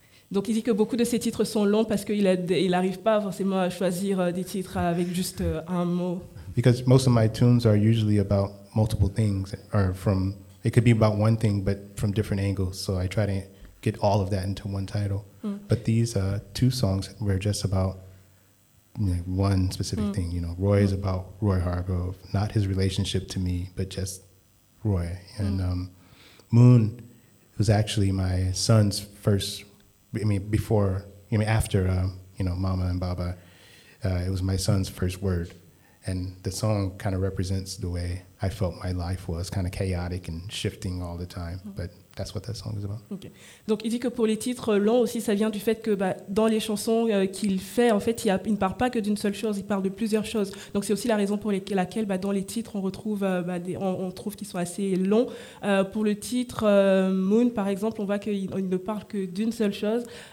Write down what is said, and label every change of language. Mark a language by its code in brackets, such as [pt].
[fr] Donc il dit que beaucoup de ses titres sont longs parce qu'il n'arrive pas forcément à choisir des titres avec juste un mot. [en] Because most of my tunes are usually about multiple things, or from, it could be about one thing, but from different angles. So I try to get all of that into one title. Mm. But these two songs were just about, you know, one specific thing. You know, Roy is about Roy Hargrove, not his relationship to me, but just Roy. And Moon was actually my son's first, I mean, before, I mean, after, you know, Mama and Baba, it was my son's first word. And the song kind of represents the way I felt my life was, kind of chaotic and shifting all the time. Mm-hmm. But that's what that song is about. Okay. [fr] Donc il dit que pour les titres longs aussi, ça vient du fait que bah, dans les chansons qu'il fait, en fait, il ne parle pas que d'une seule chose, il parle de plusieurs choses. Donc c'est aussi la raison pour laquelle bah, dans les titres, on trouve qu'ils sont assez longs. Pour le titre Moon, par exemple, on voit qu'il ne parle que d'une seule chose.